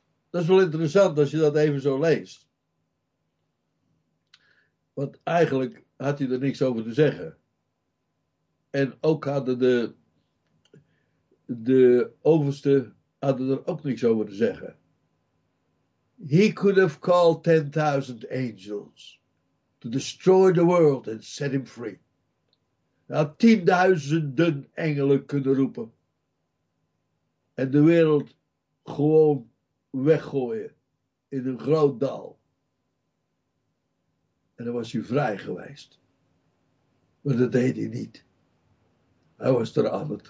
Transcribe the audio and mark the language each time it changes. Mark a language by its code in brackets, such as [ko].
[nl] Dat is wel interessant als je dat even zo leest. Want eigenlijk had hij er niks over te zeggen. En ook hadden de oversten hadden er ook niks over te zeggen. [en] He could have called 10,000 angels to destroy the world and set him free. [nl] Hij had 10,000 engelen kunnen roepen. En de wereld gewoon weggooien in een groot dal. En dan was hij vrij geweest. Maar dat deed hij niet. Hij was er aan het.